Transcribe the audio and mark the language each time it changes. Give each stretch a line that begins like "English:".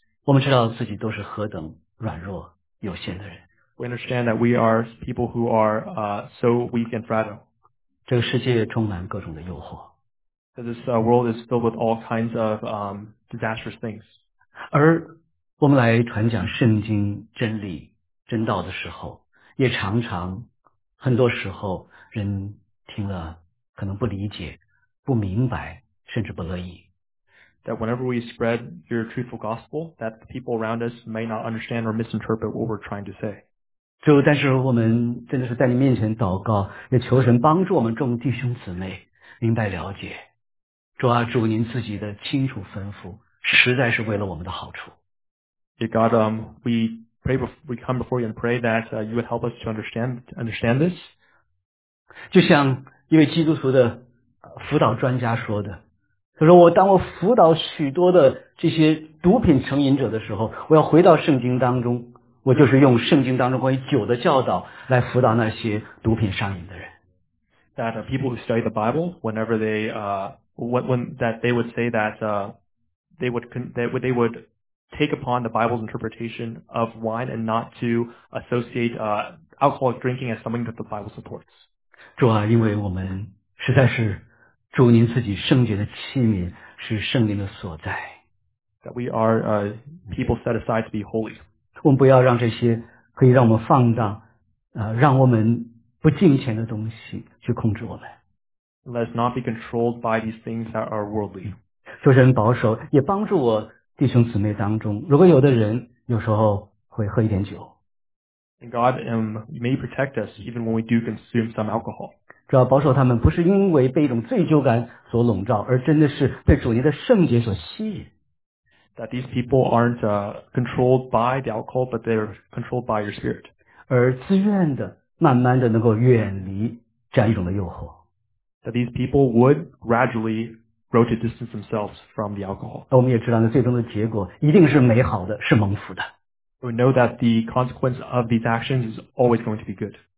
Chinese: 我们知道自己都是何等软弱有限的人。
English: We understand that we are people who are so weak and fragile.
Chinese: 这个世界充满各种的诱惑。
English: This world is filled with all kinds of disastrous things.
Chinese: 而我们来传讲圣经真理真道的时候，也常常很多时候人听了可能不理解、不明白，甚至不乐意。
English: That whenever we spread your truthful gospel, that the people around us may not understand or misinterpret what we're trying to say.
Chinese: 主，但是我们真的是在你面前祷告，也求神帮助我们众弟兄姊妹明白了解。主啊，主您自己的清楚吩咐，实在是为了我们的好处。
English: Dear God, we come before you and pray that you would help us to understand this.
Chinese: 就像一位基督徒的辅导专家说的。他说我当我辅导许多的这些毒品成瘾者的时候，我要回到圣经当中，我就是用圣经当中关于酒的教导来辅导那些毒品上瘾的人。
English: That people who study the Bible, whenever they, when that they would say that, they would take upon the Bible's interpretation of wine and not to associate, alcoholic drinking as something that the Bible supports.
Chinese: 主啊，因为我们实在是主您自己圣洁的器皿是圣灵的所在。
English: That we are people set aside to be holy.
Chinese: 我们不要让这些可以让我们放荡、让我们不敬虔的东西去控制我们。
English: Let's not be controlled by these things that are worldly.
Chinese: 求神保守，也帮助我弟兄姊妹当中，如果有的人有时候会喝一点酒。
English: And God may protect us even when we do consume some alcohol.
Chinese: 主要保守他们不是因为被一种罪疚感所笼罩，而真的是被主您的圣洁所吸引。
English: That these people aren't controlled by the alcohol, but they're controlled by your spirit.
Chinese: 而自愿的慢慢的能够远离这样一种的诱惑。
English: That these people would gradually grow to distance themselves from the alcohol.
Chinese: 我们也知道呢，最终的结果一定是美好的，是蒙福的。
English: We know that the consequence of these actions is always going to be good.